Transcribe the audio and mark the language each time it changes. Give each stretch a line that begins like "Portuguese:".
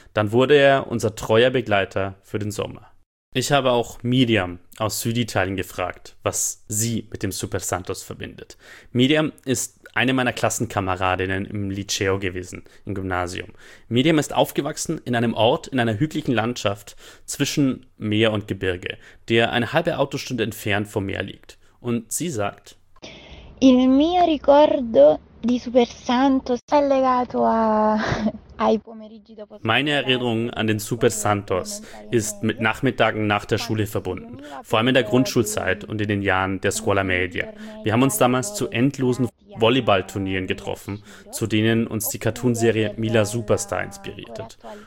German: Dann wurde er unser treuer Begleiter für den Sommer. Ich habe auch Miriam aus Süditalien gefragt, was sie mit dem Super Santos verbindet. Miriam ist eine meiner Klassenkameradinnen im Liceo gewesen, im Gymnasium. Miriam ist aufgewachsen in einem Ort in einer hügeligen Landschaft zwischen Meer und Gebirge, der eine halbe Autostunde entfernt vom Meer liegt. Und sie sagt:
Italian: Il mio ricordo di Super Santos è legato ai pomeriggi dopo
German: Meine Erinnerung an den Super Santos ist mit Nachmittagen nach der Schule verbunden, vor allem in der Grundschulzeit und in den Jahren der Scuola Media. Wir haben uns damals zu endlosen Volleyballturnieren getroffen, zu denen uns die Cartoonserie Mila Superstar inspiriert hat.